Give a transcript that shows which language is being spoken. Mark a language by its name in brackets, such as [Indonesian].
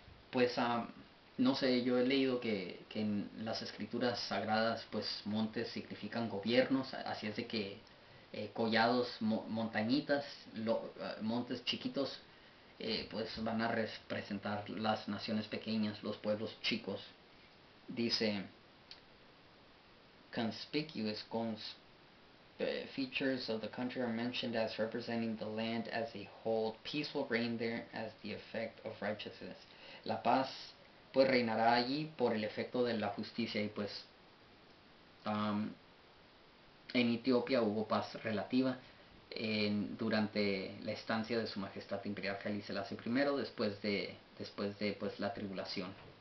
[Spanish] Pues, no sé, yo he leído que en las escrituras sagradas, pues montes significan gobiernos. Así es de que collados, montañitas, montes chiquitos, pues van a representar las naciones pequeñas, los pueblos chicos. Dice... [English] Conspicuous features of the country are mentioned as representing the land as a whole. Peaceful reign there as the effect of righteousness. [Spanish] La paz pues reinará allí por el efecto de la justicia. Y pues en Etiopía hubo paz relativa durante la estancia de su majestad imperial Haile Selassie I, después de pues la tribulación.